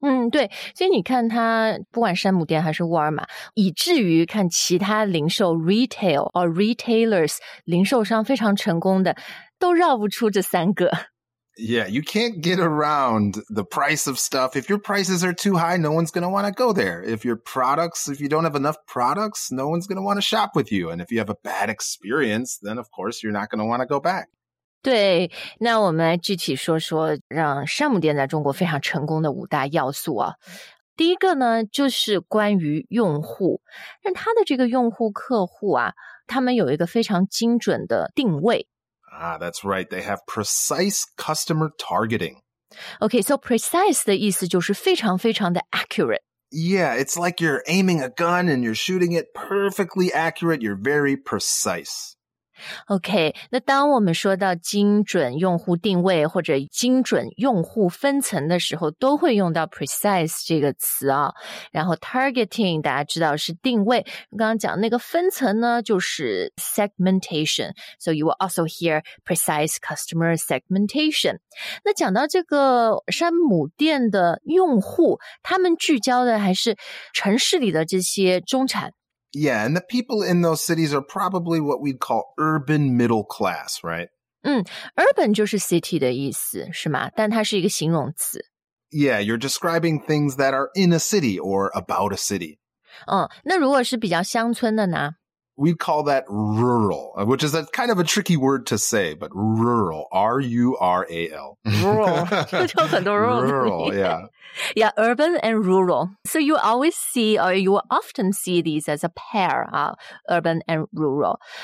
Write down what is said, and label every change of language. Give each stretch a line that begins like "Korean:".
Chinese: 对，所以你看他不管山姆店还是沃尔玛，以至于看其他零售
English: retail or retailers
Chinese: 零售商非常成功的都绕不出这三个。
English: Yeah, you can't get around the price of stuff. If your prices are too high, no one's going to want to go there. If your products, if you don't have enough products, no one's going to want to shop with you. And if you have a bad experience, then of course you're not going to want to go back.
Chinese: 对，那我们来具体说说让山姆店在中国非常成功的五大要素啊。第一个呢，就是关于用户，那他的这个用户客户啊，他们有一个非常精准的定位。
English: Ah, that's right. They have precise customer targeting. Okay, so precise
Chinese: 的意思就是非常非常的
English: accurate. Yeah, it's like you're aiming a gun and you're shooting it perfectly accurate. You're very precise.
Chinese: OK, 那当我们说到精准用户定位或者精准用户分层的时候，都会用到 precise 这个词啊。然后 targeting 大家知道是定位，刚刚讲那个分层呢就是 segmentation.
English: So you will also hear precise customer segmentation.
Chinese: 那讲到这个山姆店的用户，他们聚焦的还是城市里的这些中产。
English: Yeah, and the people in those cities are probably what we'd call urban middle class, right?
Chinese: Urban 就是 city 的意思，是吗？但它是一个形容词。
English: Yeah, you're describing things that are in a city or about a city.
Chinese: 那如果是比较乡村的呢？
English: We'd call that rural, which is a kind of a tricky word to say, but rural, R-U-R-A-L.
Chinese: Rural, 就很多 rural 的意思。
English: Rural, yeah. Yeah, urban and rural. So you always see, or you often see these as a pair, urban and rural.